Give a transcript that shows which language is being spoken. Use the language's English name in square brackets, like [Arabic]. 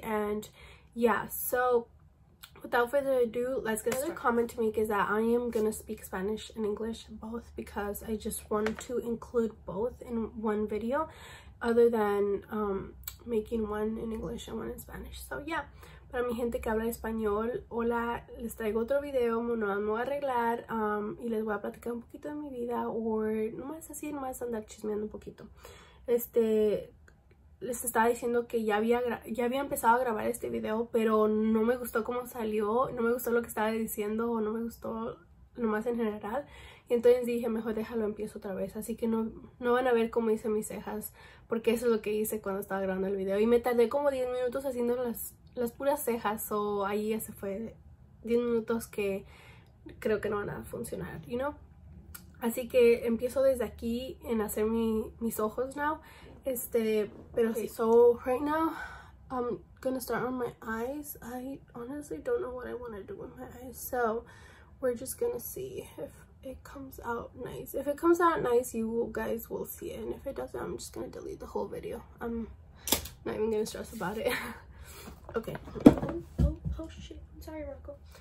[English] And yeah, so without further ado, let's get started. Another comment to make is that I am gonna speak Spanish and English both, because I just want to include both in one video, other than making one in English and one in Spanish. So yeah. [Spanish] Para mi gente que habla español, hola, les traigo otro video, me voy a arreglar y les voy a platicar un poquito de mi vida, o nomás así, nomás andar chismeando un poquito. Les estaba diciendo que ya había empezado a grabar este video, pero no me gustó cómo salió, no me gustó lo que estaba diciendo, o no me gustó nomás en general. Y entonces dije, mejor déjalo, empiezo otra vez. Así que no van a ver cómo hice mis cejas, porque eso es lo que hice cuando estaba grabando el video. Y me tardé como 10 minutos haciendo las puras cejas, o ahí ya se fue 10 minutos que creo que no van a funcionar, [English] you know? [Spanish] Así que empiezo desde aquí en hacer mis ojos now. Pero okay. Sí. [English] So right now I'm gonna start on my eyes. I honestly don't know what I want to do with my eyes, so we're just gonna see if it comes out nice. If it comes out nice, you guys will see it, and if it doesn't, I'm just gonna delete the whole video. I'm not even gonna stress about it. Okay. Oh shit. I'm sorry, Rocco.